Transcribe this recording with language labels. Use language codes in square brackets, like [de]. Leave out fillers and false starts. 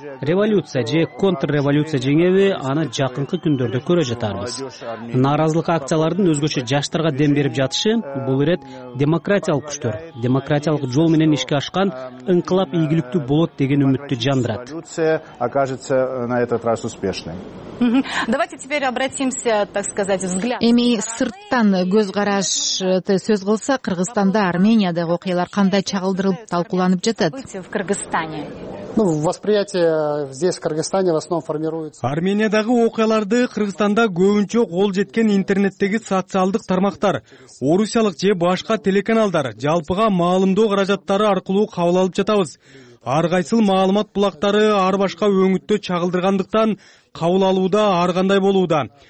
[ky] Революция же контрреволюция жеңеби, аны жакынкы күндөрдө көрө жатарбыз. Нааразылык акциялардын өзгөчө жаштарга дем берип жатышы, бул ирет демократиялык күчтөр, демократиялык жол менен ишке ашкан инкылап ийгиликтүү болот деген үмүттү жандырат. [ru] Революция окажется на этот раз успешной. Давайте теперь обратимся, так сказать, взгляд. [ky] Эми сырттан көз карашты сөз кылсак, Кыргызстанда, Арменияда окуялар кандай чагылдырылып, талкууланып жатат? [ru] В Кыргызстане. Ну, восприятие здесь, в Кыргызстане, в основном формируется. [ky] Армениядагы окуяларды Кыргызстанда көбүнчө кол жеткен интернеттеги социалдык тармактар, орусиялык же башка телеканалдар жалпыга маалымдоо каражаттары аркылуу кабыл алып жатабыз. Ар кайсыл маалымат булактары ар башка өңүттө чагылдыргандыктан кабыл алууда ар кандай болууда.